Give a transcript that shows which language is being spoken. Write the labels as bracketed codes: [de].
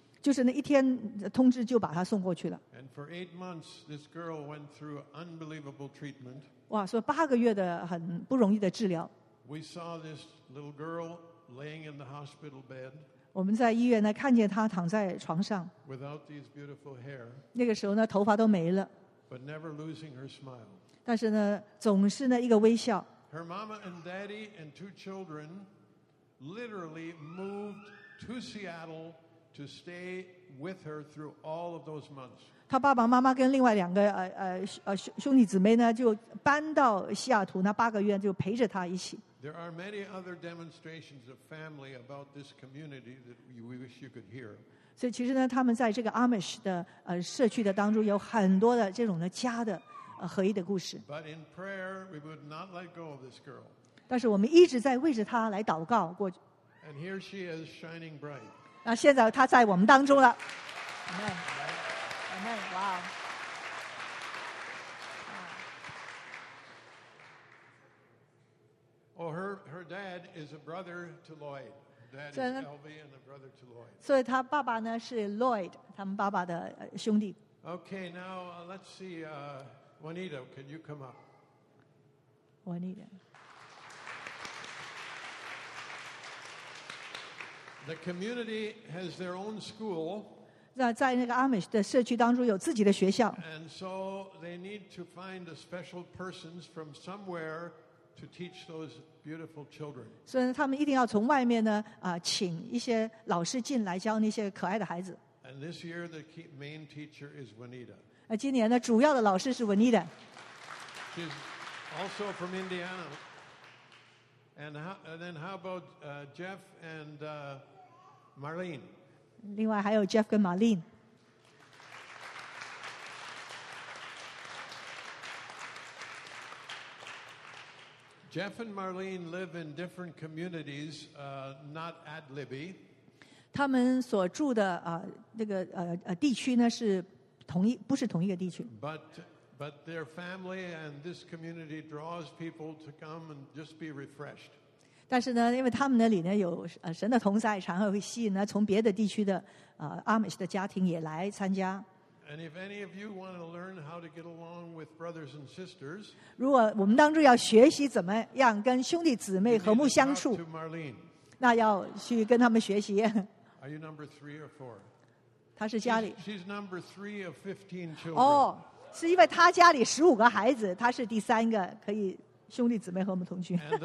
[zh] 就是那一天通知就把她送过去了。 [en] And for 8 months, this girl went through unbelievable treatment. [zh] 哇，说八个月的很不容易的治疗。 [en] We saw this little girl laying in the hospital bed. [zh] 我们在医院呢看见她躺在床上。 [en] Without these beautiful hair. [zh] 那个时候呢头发都没了。 [en] But never losing her smile. [zh] 但是呢总是呢一个微笑。 [en] Her mama and daddy and two children literally moved to Seattle to stay with her through all of those months. [zh] 她爸爸妈妈跟另外两个兄弟姊妹呢就搬到西雅图那八个月就陪着她一起。 [en] There are many other demonstrations of family about this community that we wish you could hear. [zh] 所以其实呢他们在这个 Amish 的社区的当中有很多的这种的家的合一的故事。 [en] But in prayer, we would not let go of this girl. [zh] 但是我们一直在为着她来祷告过去。 [en] And here she is shining bright. [zh] 那现在她在我们当中了。 [en] Amen. Amen. Wow. Oh, her dad is a brother to Lloyd. Dad is Elvie and a brother to Lloyd. [zh] 所以他爸爸呢是 Lloyd， 他们爸爸的兄弟。 [en] Okay, now let's see, Juanita, can you come up? Juanita. The community has their own school. [zh] 在那个 Amish 的社区当中有自己的学校。 [en] And so they need to find the special persons from somewhere. To teach those beautiful children. [zh] 所以他们一定要从外面呢请一些老师进来教那些可爱的孩子。 [en] And this year the main teacher is Juanita. [zh] 今年呢主要的老师是 Juanita. [en] She's also from Indiana. And then how about Jeff and Marlene? [zh] 另外还有 Jeff 跟 Marlene. [en] Jeff and Marlene live in different communities, not at Libby. [zh] 他们所住的地区呢是同一不是同一个地区。 [en] But their family and this community draws people to come and just be refreshed. [zh] 但是呢，因为他们那里呢有神的同在，常常会吸引呢从别的地区的Amish 的家庭也来参加。 [en] And if any of you want to learn how to get along with brothers and sisters, [zh] 如果我们当中要学习怎么样跟兄弟姊妹和睦相处，那要去跟他们学习。 [en] Are you number three or four? [zh] 她是家里。 [en] She's number three of 15 children. [zh] 哦，是因为她家里十五个孩子，她是第三个可以兄弟姊妹和睦同居。